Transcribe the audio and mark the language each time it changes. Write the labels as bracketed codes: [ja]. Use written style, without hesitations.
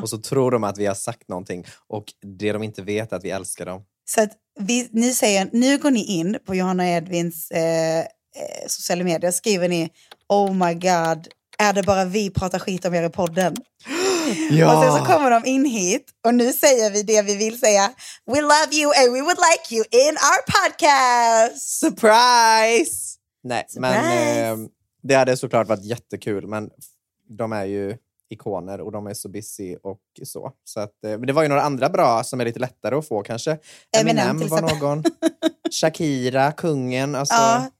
[sv] Och så tror de att vi har sagt någonting. Och det de inte vet är att vi älskar dem. Så att ni säger, nu går ni in på Johanna Edvins sociala medier. Skriver ni, [en] oh my god. [sv] Är det bara vi pratar skit om er i podden? Ja. Och sen så kommer de in hit. Och nu säger vi det vi vill säga. [en] We love you and we would like you in our podcast. Surprise! [sv] Nej, men det hade såklart varit jättekul, men de är ju ikoner och de är så busy och så. Så att, det var ju några andra bra som är lite lättare att få kanske. Eminem var någon. Shakira, kungen. Alltså,